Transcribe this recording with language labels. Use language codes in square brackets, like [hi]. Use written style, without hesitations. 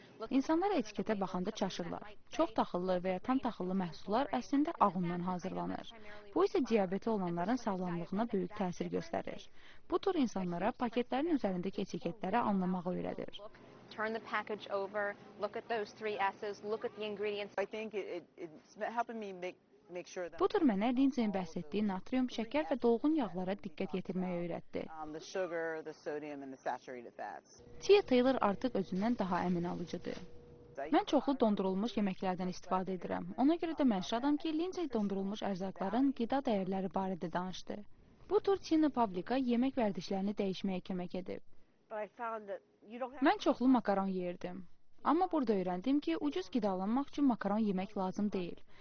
[az] İnsanlar etiketə baxanda çaşırlar. Çox taxıllı və ya tam taxıllı məhsullar əslində ağ undan hazırlanır. Bu isə diabeti olanların sağlamlığına böyük təsir göstərir. Bu tür insanlara paketlərin üzərindəki etiketləri anlamağı öyrədir. [en] Turn the package over, look at those three S's, look at the ingredients. I think it's helping me make sure that [az] bu tür mənə Lindsay'in bəhs etdiyi natrium, şəkər və dolğun yağlara diqqət yetirməyi öyrətdi. [en] The sugar, the sodium and the saturated fats. [az] Tia Taylor artıq özündən daha əmin alıcıdır. Mən çoxlu dondurulmuş yeməklərdən istifadə edirəm. Ona görə də mən şadam ki, Lindsay dondurulmuş ərzaqların qida dəyərləri barədə danışdı. Bu tür Tina Pavlika yemək vərdişlərini dəyişməyə kömək edib. Mən çoxlu makaron yeyirdim. Amma burada öyrəndim ki, ucuz qidalanmaq üçün makaron yemək lazım deyil.